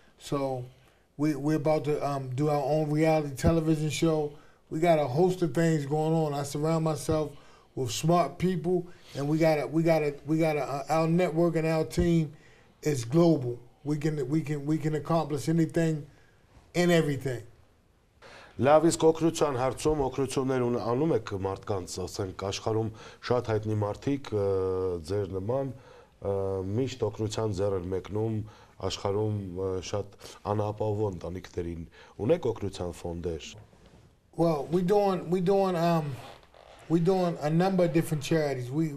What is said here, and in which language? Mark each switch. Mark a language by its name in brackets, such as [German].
[English] So we're about to do our own reality television show. We got a host of things going on. I surround myself with smart people, and we got our network and our team is global. We can accomplish anything and everything. [Armenian] Լավ, իսկ օկրության հարցում օկրություններ անում եք մարդկանց, ասենք աշխարհում շատ հայտնի մարդիկ ձեր նման միշտ օկրության ձեռը մեկնում աշխարհում շատ անապահով ընտանիքներին, ունեք օկրության ֆոնդեր? [English] Well, we're doing a number of different charities.